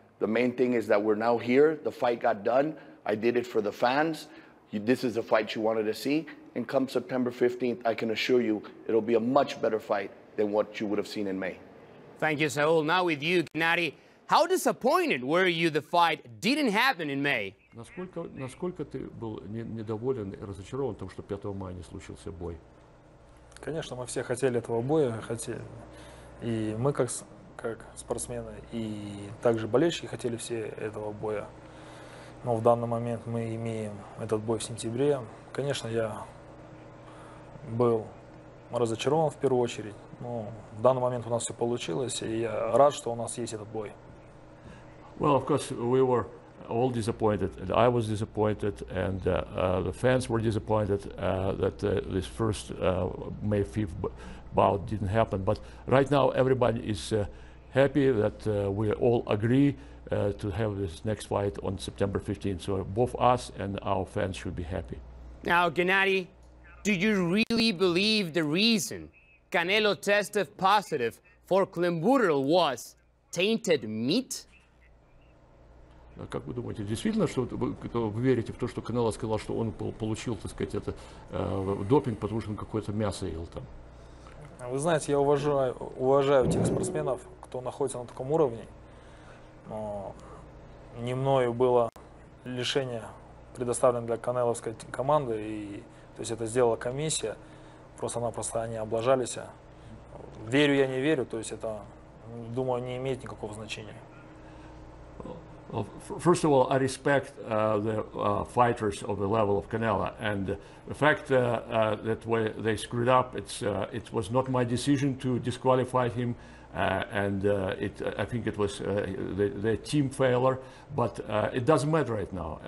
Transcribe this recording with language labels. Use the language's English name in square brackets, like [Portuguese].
[English] The main thing is that we're now here. The fight got done. I did it for the fans. This is the fight you wanted to see. And come September 15th, I can assure you, it'll be a much better fight than what you would have seen in May. Thank you, Saul. Now with you, Gennady. How disappointed were you the fight didn't happen in May? [Russian] Насколько ты был недоволен и разочарован тем, что 5 мая не случился бой? Конечно, мы все хотели этого боя, хотели. И мы как спортсмены, и также болельщики хотели все этого боя. Но в данный момент мы имеем этот бой в сентябре. Конечно, я был разочарован в первую очередь, но в данный момент у нас все получилось, и я рад, что у нас есть этот бой. [English] Well, of course, we were all disappointed, and I was disappointed, and the fans were disappointed that this first May 5th bout didn't happen. But right now, everybody is happy that we all agree to have this next fight on September 15th. So both us and our fans should be happy. Now, Gennady, do you really believe the reason Canelo tested positive for clenbuterol was tainted meat? [Russian] Как вы думаете, действительно, что вы верите в то, что Канело сказал, что он получил, так сказать, это допинг, потому что он какое-то мясо ел там? Вы знаете, я уважаю тех спортсменов, кто находится на таком уровне. Но не мною было лишение предоставлено для Канеловской команды, и то есть это сделала комиссия. Просто-напросто они облажались. Верю я, не верю, то есть это, думаю, не имеет никакого значения. [English] Well, first of all, I respect the fighters of the level of Canelo, and the fact that way they screwed up, it was not my decision to disqualify him, I think it was the team failure, but it doesn't matter right now.